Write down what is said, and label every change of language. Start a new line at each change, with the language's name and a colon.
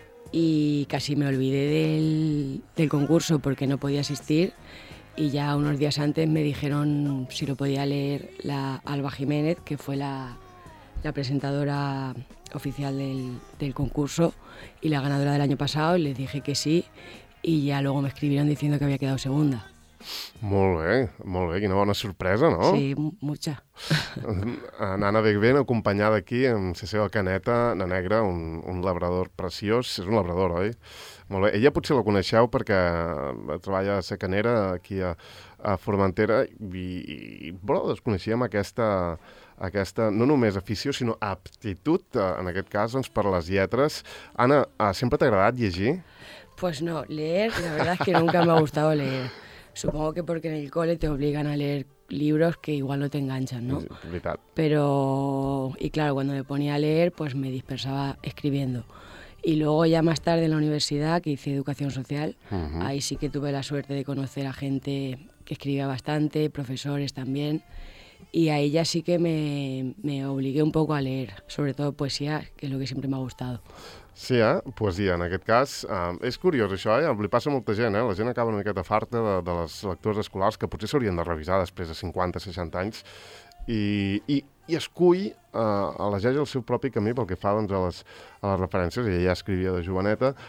Spanish: Y casi me olvidé del concurso porque no podía asistir y ya unos días antes me dijeron si lo podía leer la Alba Jiménez, que fue la presentadora oficial del concurso y la ganadora del año pasado, y les dije que sí y ya luego me escribieron diciendo que había quedado segunda.
Catalan: Molt bé, quina bona sorpresa, no?
Spanish: Sí, mucha.
Catalan: Nana Begben, acompanyada aquí amb la seva caneta, na negra, un labrador preciós. És un labrador, oi? Molt bé. Ella potser la coneixeu perquè treballa a la canera aquí a Formentera però desconeixíem aquesta, no només afició, sinó aptitud, en aquest cas, doncs, per les lletres. Anna, sempre t'ha agradat llegir?
Spanish: Pues no, leer, la verdad es que nunca me ha gustado leer. Supongo que porque en el cole te obligan a leer libros que igual no te enganchan, ¿no? Vital. Pero, y claro, cuando me ponía a leer, pues me dispersaba escribiendo. Y luego ya más tarde en la universidad, que hice educación social, ahí sí que tuve la suerte de conocer a gente que escribía bastante, profesores también, y ahí ya sí que me obligué un poco a leer, sobre todo poesía, que es lo que siempre me ha gustado.
Catalan: Sí, poesia, en aquest cas. És curiós això, li passa a molta gent, La gent acaba una miqueta farta de les lectures escolars, que potser s'haurien de revisar després de 50, 60 anys, i escull, elegeix el seu propi camí pel que fa doncs, a les referències, ella ja escrivia de joveneta.